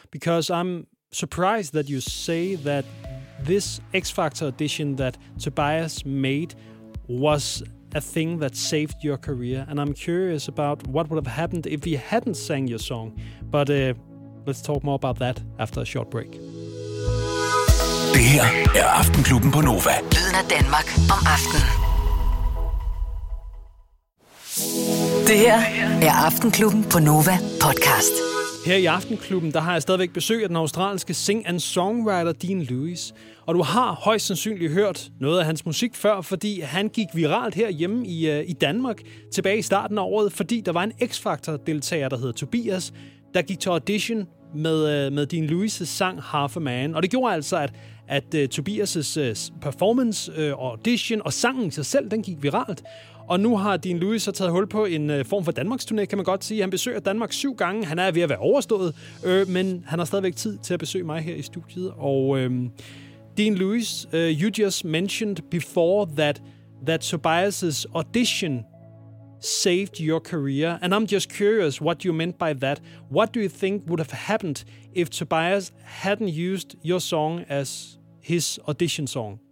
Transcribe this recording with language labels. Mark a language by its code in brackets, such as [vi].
[en] Because I'm surprised that you say that this X Factor audition that Tobias made was a thing that saved your career. And I'm curious about what would have happened if he hadn't sang your song. But let's talk more about that after a short break. [da] Det her er Aftenklubben på Nova. Lyden af Danmark om aftenen. Det her er Aftenklubben på Nova podcast. Her i Aftenklubben, der har jeg stadigvæk besøg af den australske [en] sing and songwriter [da] Dean Lewis. Og du har højst sandsynligt hørt noget af hans musik før, fordi han gik viralt herhjemme i Danmark tilbage i starten af året, fordi der var en X-Factor-deltager, der hedder Tobias, der gik til audition med Dean Lewis' sang Half a Man. Og det gjorde altså, at Tobias' performance og audition og sangen sig selv, den gik viralt. Og nu har Dean Lewis så taget hul på en form for Danmarksturné, kan man godt sige. Han besøger Danmark 7 gange. Han er ved at være overstået, men han har stadigvæk tid til at besøge mig her i studiet. [en] Og Dean Lewis, you just mentioned before that Tobias' audition saved your career. And I'm just curious what you meant by that. What do you think would have happened if Tobias hadn't used your song as his audition song?